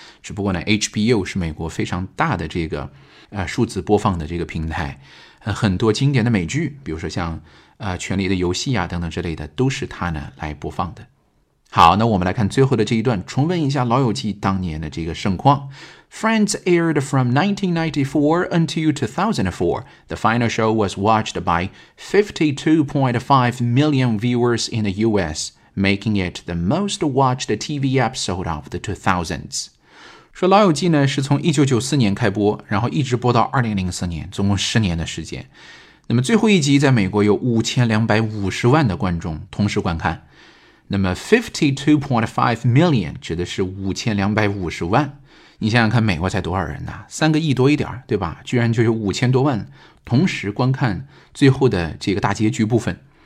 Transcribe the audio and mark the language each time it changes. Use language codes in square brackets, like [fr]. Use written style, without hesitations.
[zh] 只不过呢 HBO 是美国非常大的这个数字播放的这个平台，很多经典的美剧比如说像权力的游戏啊等等之类的都是它呢来播放的。好，那我们来看最后的这一段，重温一下老友记当年的这个盛况。 [en] Friends aired from 1994 until 2004. The final show was watched by 52.5 million viewers in the US, making it the most watched TV episode of the 2000s. [zh] 说老友记呢是从1994年开播，然后一直播到2004年，总共10年的时间。那么最后一集在美国有5250万的观众同时观看。那么 52.5 million 指的是5250万，你想想看美国才多少人呢，三个亿多一点，对吧，居然就有5000多万同时观看最后的这个大结局部分。